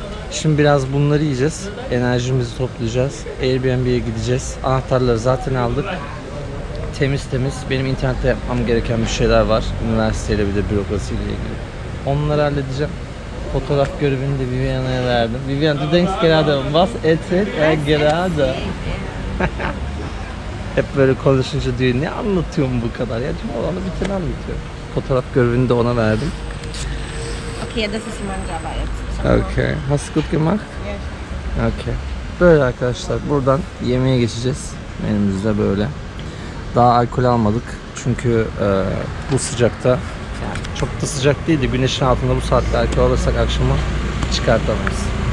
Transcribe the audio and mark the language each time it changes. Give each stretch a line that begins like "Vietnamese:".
Turkish: Şimdi biraz bunları yiyeceğiz. Enerjimizi toplayacağız. Airbnb'ye gideceğiz. Anahtarları zaten aldık. Temiz temiz. Benim internette yapmam gereken bir şeyler var. Üniversiteyle bir de bürokrasiyle ilgili. Onları halledeceğim. Fotoğraf görevini de Viviana'ya verdim.
German: Viviana, du denkst gerade was erzählt er gerade?
Turkish: Hep böyle konuşunca diyor, ne anlatıyorum bu kadar ya? Tüm olanı biteni anlatıyorum. Fotoğraf görevini de ona verdim.
German: Okay, das ist mein Arbeit. Okay. Hast du gut gemacht?
English: Yes. Okay.
Turkish: Böyle arkadaşlar, buradan yemeğe geçeceğiz. Menümüz de böyle. Daha alkol almadık. Çünkü bu sıcakta, yani çok da sıcak değildi. Güneşin altında bu saatte alkol alırsak akşama çıkartamayız.